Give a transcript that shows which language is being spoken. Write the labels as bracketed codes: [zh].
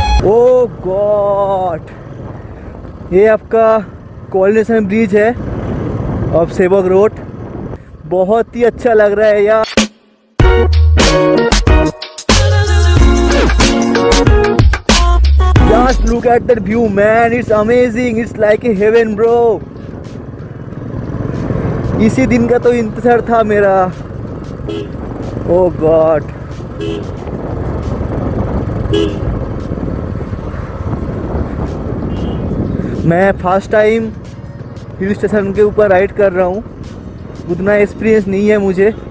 [hi] ओ God, ये आपका coordination bridge है ऑफ सेबक रोड। बहुत ही अच्छा लग रहा है यार। [en] Just look at that view, man. It's amazing. It's like a heaven, bro. [hi] इसी दिन का तो इंतजार था मेरा। [en] Oh God. [hi] मैं फर्स्ट टाइम हिल स्टेशन के ऊपर राइड कर रहा हूँ, उतना एक्सपीरियंस नहीं है मुझे।